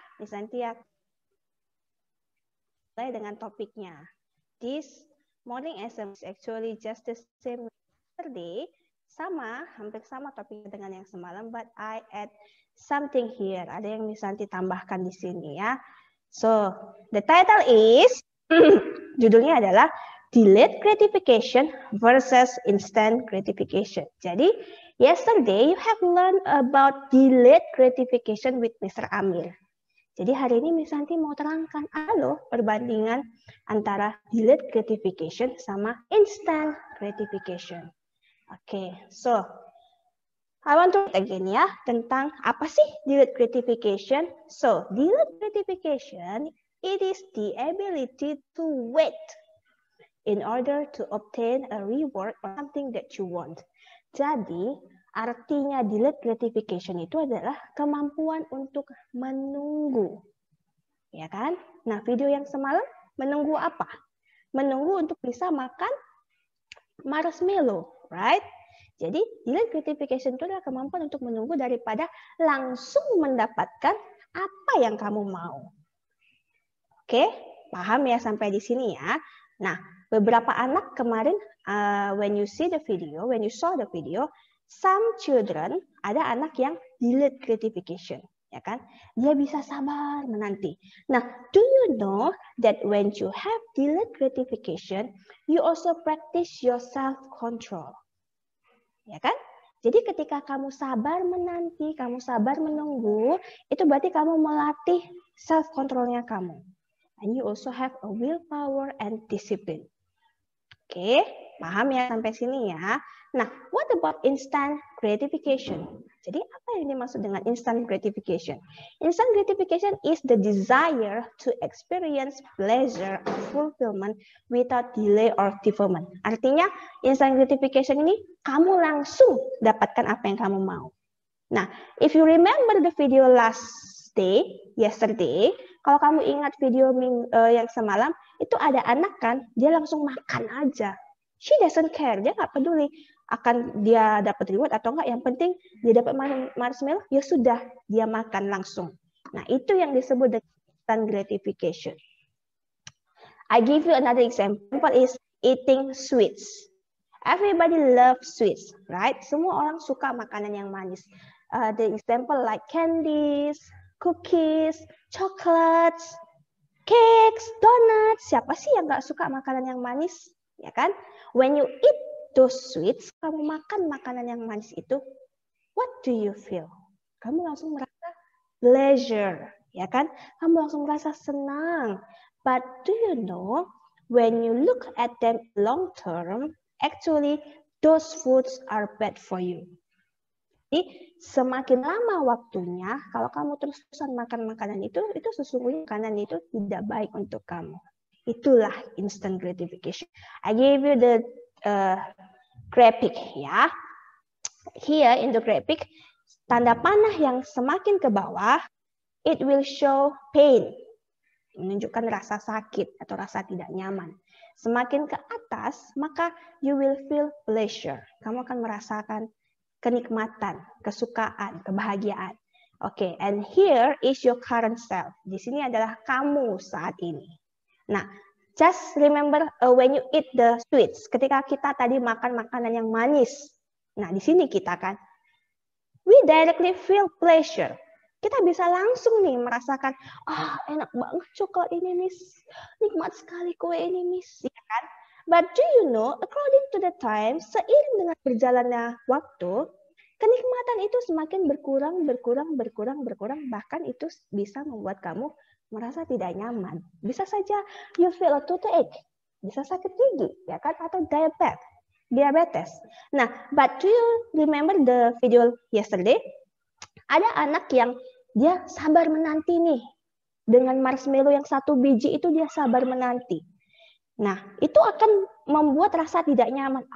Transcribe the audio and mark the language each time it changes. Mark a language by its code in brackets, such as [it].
[id] Miss Antia, mulai dengan topiknya. [en] This morning exam is actually just the same yesterday. [id] Sama, hampir sama topiknya dengan yang semalam, [en] but I add something here. [id] Ada yang Miss Antia tambahkan di sini ya. [en] So, the title is, [id] judulnya adalah [en] delayed gratification versus instant gratification. Jadi, yesterday you have learned about delayed gratification with Mr. [id] Amir. Jadi hari ini Miss Santi mau terangkan alo perbandingan antara delayed gratification sama instant gratification. [en] Oke, okay, so I want to read again [id] ya tentang apa sih [en] delayed gratification. So, delayed gratification, it is the ability to wait in order to obtain a reward or something that you want. [id] Jadi, artinya delayed gratification itu adalah kemampuan untuk menunggu. Ya kan? Nah, video yang semalam menunggu apa? Menunggu untuk bisa makan marshmallow, right? Jadi, delayed gratification itu adalah kemampuan untuk menunggu daripada langsung mendapatkan apa yang kamu mau. Oke? Paham ya sampai di sini ya? Nah, beberapa anak kemarin [en] when you saw the video, some children, [id] ada anak yang delayed gratification, ya kan? Dia bisa sabar menanti. [en] Nah, do you know that when you have delayed gratification, you also practice your self-control, ya kan? [id] Jadi ketika kamu sabar menanti, kamu sabar menunggu, itu berarti kamu melatih self-controlnya kamu. [en] And you also have a willpower and discipline. [id] Oke, paham ya sampai sini ya. Nah, [en] what about instant gratification? [id] Jadi, apa yang dimaksud dengan instant gratification? [en] Instant gratification is the desire to experience pleasure or fulfillment without delay or deferment. [id] Artinya, instant gratification ini kamu langsung dapatkan apa yang kamu mau. Nah, [en] if you remember the video last day, yesterday, [id] kalau kamu ingat video yang semalam, itu ada anak kan, dia langsung makan aja. [en] She doesn't care, [id] dia nggak peduli akan dia dapat reward atau nggak. Yang penting dia dapat marshmallow, ya sudah, dia makan langsung. Nah, itu yang disebut dengan gratification. [en] I give you another example is eating sweets. Everybody love sweets, right? [id] Semua orang suka makanan yang manis. [en] The example like candies, cookies, chocolates, cakes, donuts. [id] Siapa sih yang nggak suka makanan yang manis? Ya kan? [en] When you eat those sweets, [id] kamu makan makanan yang manis itu, [en] what do you feel? [id] Kamu langsung merasa pleasure, ya kan? Kamu langsung merasa senang. [en] But do you know, when you look at them long term, actually those foods are bad for you. [id] Jadi semakin lama waktunya, kalau kamu terus-terusan makan makanan itu sesungguhnya makanan itu tidak baik untuk kamu. [en] Itulah instant gratification. I gave you the graphic ya. Here in the graphic, [id] tanda panah yang semakin ke bawah, [en] it will show pain. [id] Menunjukkan rasa sakit atau rasa tidak nyaman. Semakin ke atas, maka [en] you will feel pleasure. [id] Kamu akan merasakan kenikmatan, kesukaan, kebahagiaan. [en] Oke, okay, and here is your current self. [id] Di sini adalah kamu saat ini. [en] Nah, just remember when you eat the sweets. [id] Ketika kita tadi makan makanan yang manis. Nah, di sini kita kan. [en] We directly feel pleasure. [id] Kita bisa langsung nih merasakan, ah, enak banget coklat ini, miss. Nikmat sekali kue ini, miss. Ya kan? [en] But do you know, according to the time, [id] seiring dengan berjalannya waktu, kenikmatan itu semakin berkurang, berkurang, berkurang, berkurang. Bahkan itu bisa membuat kamu merasa tidak nyaman. Bisa saja [en] you feel a toothache, [id] bisa sakit gigi, ya kan? Atau diabetes. [en] Nah, but do you remember the video yesterday? [id] Ada anak yang dia sabar menanti nih. Dengan marshmallow yang satu biji itu dia sabar menanti. Nah, itu akan membuat rasa tidak nyaman.